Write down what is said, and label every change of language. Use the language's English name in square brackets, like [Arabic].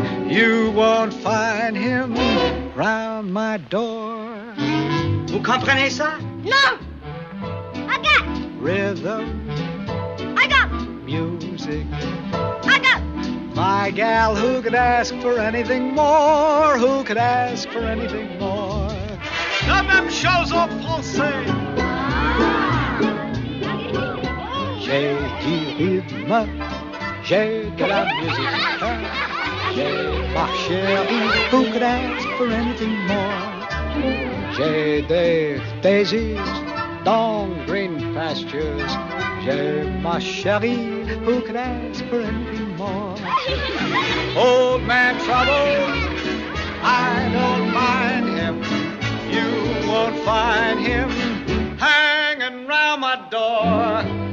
[English] You won't find him round my door. [French] Vous comprenez ça? [English] Non! I got. Rhythm. I got. Music. I got. My gal, who could ask for anything more? Who could ask for anything more? [French] La même chose en français. J'ai du rythme, j'ai de la musique, j'ai ma chérie, who could ask for anything more? J'ai des daisies dans green pastures, j'ai ma chérie, who could ask for anything more? [English] Old man Trouble, I don't mind him, you won't find him hanging round my door.